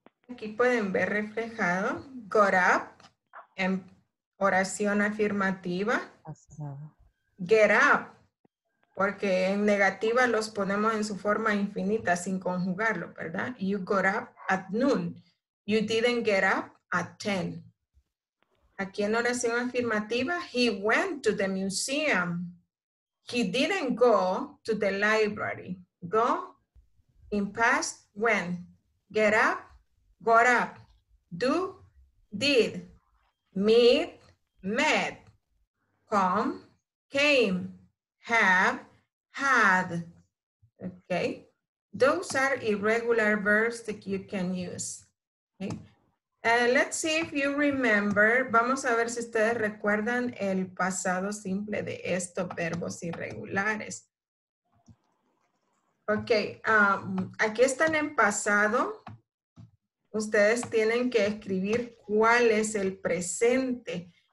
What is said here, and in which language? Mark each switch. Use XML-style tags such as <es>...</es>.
<es>Aquí pueden ver reflejado, got up, en oración afirmativa. Get up, porque en negativa los ponemos en su forma infinita sin conjugarlo, ¿verdad?</es> <en>You got up at noon. You didn't get up at 10.</en> <es>Aquí en oración afirmativa,</es> <en>he went to the museum. He didn't go to the library. Go, in past, went. Get up, got up. Do, did. Meet, met. Come, came. Have, had. Okay. Those are irregular verbs that you can use. Okay. Let's see if you remember.</en> <es>Vamos a ver si ustedes recuerdan el pasado simple de estos verbos irregulares. Okay. Aquí están en pasado. Ustedes tienen que escribir cuál es el presente.</es>